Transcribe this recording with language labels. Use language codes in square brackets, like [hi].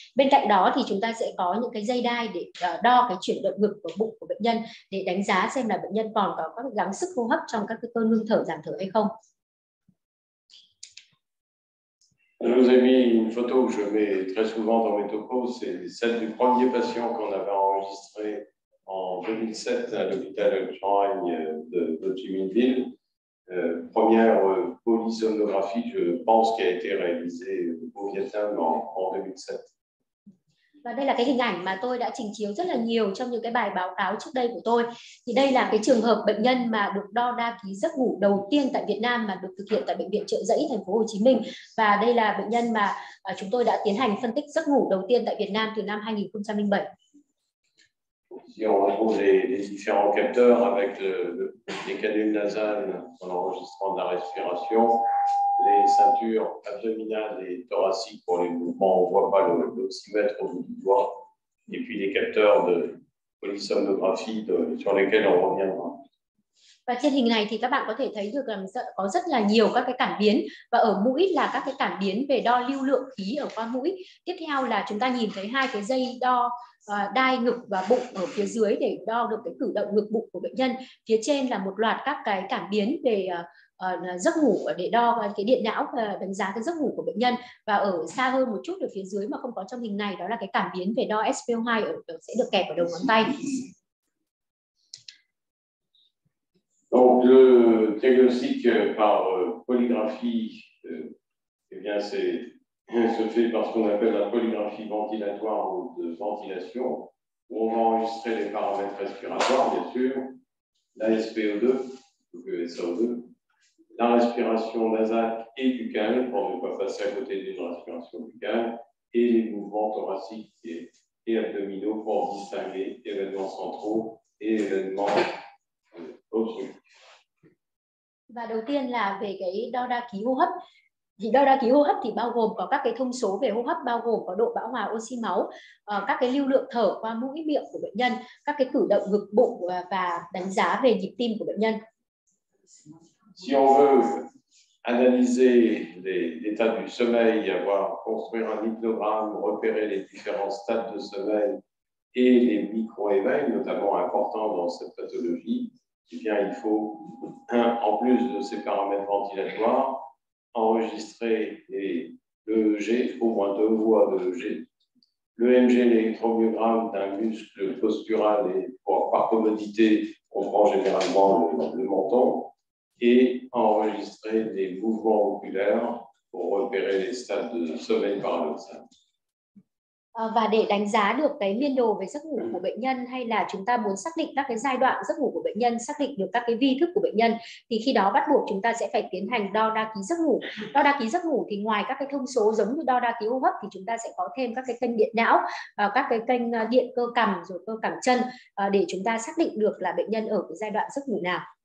[vi] Bên cạnh đó thì chúng ta sẽ có những cái dây đai để đo cái chuyển động ngực và bụng của bệnh nhân để đánh giá xem là bệnh nhân còn có các gắng sức hô hấp trong các cái cơn ngưng thở giảm thở hay không. [fr] Je vous ai mis une photo que je mets très souvent dans mes topos, c'est celle du premier patient qu'on avait enregistré en 2007 à l'hôpital Ultramagne de Ho Chi Minh Ville. Première polysomnographie, je pense, qui a été réalisée au Vietnam en 2007. [vi] Và đây là cái hình ảnh mà tôi đã trình chiếu rất là nhiều trong những cái bài báo cáo trước đây của tôi. Thì đây là cái trường hợp bệnh nhân mà được đo đa ký giấc ngủ đầu tiên tại Việt Nam mà được thực hiện tại Bệnh viện Chợ Giấy, thành phố Hồ Chí Minh. Và đây là bệnh nhân mà chúng tôi đã tiến hành phân tích giấc ngủ đầu tiên tại Việt Nam từ năm 2007. [fr] Ici, on retrouve les différents capteurs avec les canules nasales pour l'enregistrement de la respiration, les ceintures abdominales et thoraciques pour les mouvements, on ne voit pas l'oxymètre au bout du doigt, et puis les capteurs de polysomnographie sur lesquels on reviendra. [vi] Và trên hình này thì các bạn có thể thấy được là có rất là nhiều các cái cảm biến, và ở mũi là các cái cảm biến về đo lưu lượng khí ở qua mũi. Tiếp theo là chúng ta nhìn thấy hai cái dây đo đai ngực và bụng ở phía dưới để đo được cái cử động ngực bụng của bệnh nhân. Phía trên là một loạt các cái cảm biến về giấc ngủ để đo cái điện não và đánh giá cái giấc ngủ của bệnh nhân. Và ở xa hơn một chút ở phía dưới mà không có trong hình này, đó là cái cảm biến về đo SpO2 sẽ được kẹp ở đầu ngón tay. [fr] Donc, le diagnostic par polygraphie, eh bien, se fait par ce qu'on appelle la polygraphie ventilatoire ou de ventilation, où on va enregistrer les paramètres respiratoires, bien sûr, la SpO2, donc le SO2, la respiration nasale et buccale, pour ne pas passer à côté d'une respiration buccale, et les mouvements thoraciques et abdominaux pour distinguer événements centraux et événements obstructifs. [vi] Và đầu tiên là về cái đo đa ký hô hấp. Thì đo đa ký hô hấp thì bao gồm có các cái thông số về hô hấp, bao gồm có độ bão hòa oxy máu, các cái lưu lượng thở qua mũi miệng của bệnh nhân, các cái cử động ngực bụng và đánh giá về nhịp tim của bệnh nhân. [fr] Si on veut analyser l'état du sommeil, avoir construire un hypnogramme, repérer les différents stades de sommeil et les micro-éveils, notamment importants dans cette pathologie, eh bien il faut, un, en plus de ces paramètres ventilatoires, enregistrer l'EEG, au moins deux voies d'EEG, l'EMG, l'électromyogramme d'un muscle postural, et pour, par commodité, on prend généralement le menton, et enregistrer des mouvements oculaires pour repérer les stades de sommeil paradoxal. [vi] Và để đánh giá được cái biên đồ về giấc ngủ của bệnh nhân, hay là chúng ta muốn xác định các cái giai đoạn giấc ngủ của bệnh nhân, xác định được các cái vi thức của bệnh nhân, thì khi đó bắt buộc chúng ta sẽ phải tiến hành đo đa ký giấc ngủ. Đo đa ký giấc ngủ thì ngoài các cái thông số giống như đo đa ký hô hấp thì chúng ta sẽ có thêm các cái kênh điện não, các cái kênh điện cơ cằm rồi cơ cằm chân, để chúng ta xác định được là bệnh nhân ở cái giai đoạn giấc ngủ nào.